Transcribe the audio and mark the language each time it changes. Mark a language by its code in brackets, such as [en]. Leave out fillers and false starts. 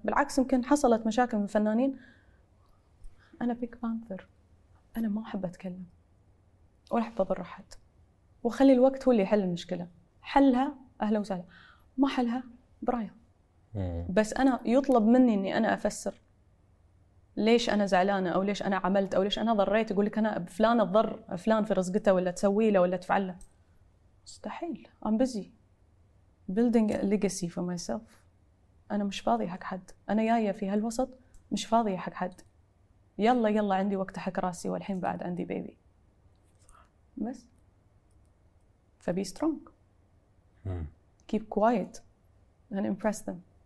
[ar] بالعكس يمكن حصلت مشاكل من فنانين. أنا بيك بانثر، أنا ما أحب أتكلم ولا أحب أضر أحد، وخلي الوقت هو اللي يحل المشكلة. حلها أهلا وسهلا، ما حلها برايا. بس أنا يطلب مني أني أنا أفسر ليش أنا زعلانة أو ليش أنا عملت أو ليش أنا ضريت. يقول لك أنا فلان أضر فلان في رزقته ولا تسوي له ولا تفعل له. مستحيل. [en] I'm busy building a legacy for myself. [ar] أنا مش فاضية حق حد، أنا جاية في هالوسط مش فاضية حق حد، يلا يلا عندي وقت حق راسي، والحين بعد عندي بيبي بس. [en] فبي strong, keep quiet and impress them.